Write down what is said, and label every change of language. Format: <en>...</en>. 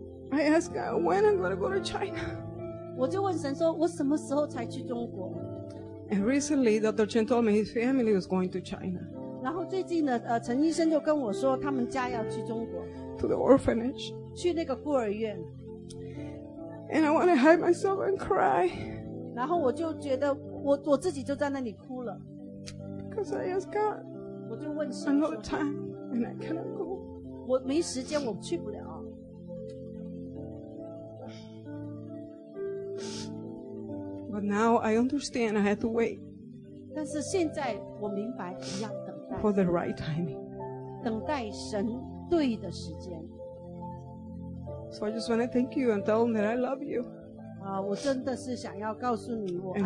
<en>I ask God when I'm going to go to China.</en> <zh>我就问神说，我什么时候才去中国？</zh> <en>And recently, Dr. Chen told me his family was going to China.</en> <zh>然后最近呢，陈医生就跟我说，他们家要去中国，</zh> <en>to the orphanage.</en> <zh>去那个孤儿院。</zh> <en>And I want to hide myself and cry.</en> <zh>然后我就觉得我自己就在那里哭了。</zh> <en>Because I ask God.</en> <zh>我就问神说</zh> <en>another time, and I cannot go.</en> <zh>我没时间，我去不了。</zh> <en>But now I understand I have to wait.</en> <zh>但是现在我明白，我要等待。</zh> <en>For the right timing.</en> <zh>等待神对的时间。</zh> <en>So I just want to thank you and tell them that I love you.</en> <zh>我真的是想要告诉你，我爱你。</zh>